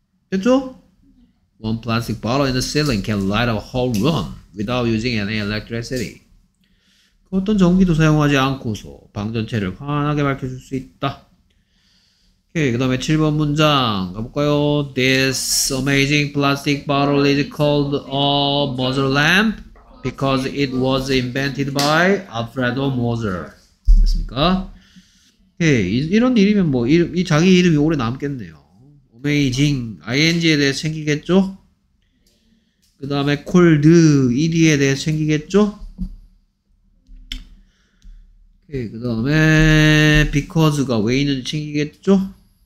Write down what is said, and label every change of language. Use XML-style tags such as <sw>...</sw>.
<ko>됐죠?</ko> <en>One plastic bottle in the ceiling can light a whole room without using any electricity.</en> <ko>그 어떤 전기도 사용하지 않고서 방 전체를 환하게 밝혀줄 수 있다. 오케이. 그 다음에 7번 문장 가볼까요?</ko> <en>This amazing plastic bottle is called a Moser lamp because it was invented by Alfredo Moser.</en> <ko>됐습니까? 오케이. 이런 일이면 뭐 이 자기 이름이 오래 남겠네요. Amazing. ing에 대해 챙기겠죠? 그 다음에 cold. ed에 대해 챙기겠죠? 오케이. 그 다음에 because가 왜 있는지 챙기겠죠?</ko>